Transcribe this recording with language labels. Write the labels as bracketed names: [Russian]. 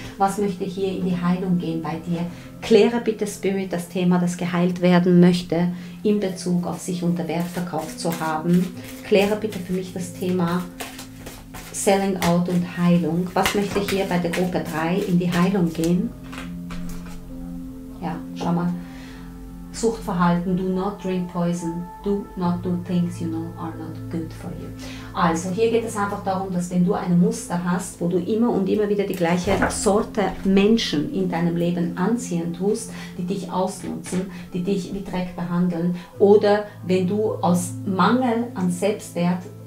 [German] Was möchte hier in die Heilung gehen bei dir? Kläre bitte Spirit das Thema, das geheilt werden möchte, in Bezug auf sich unter Wert verkauft zu haben. Kläre bitte für mich das Thema Selling Out und Heilung. Was möchte hier bei der Gruppe 3 in die Heilung gehen? Ja, schau mal. [English] Suchtverhalten, do not drink poison, do not do things you know are not good for you. [German] Also hier geht es einfach darum, dass wenn du ein Muster hast, wo du immer und immer wieder die gleiche Sorte Menschen in deinem Leben anziehen tust, die dich ausnutzen, die dich wie Dreck behandeln oder wenn du aus Mangel an Selbstwert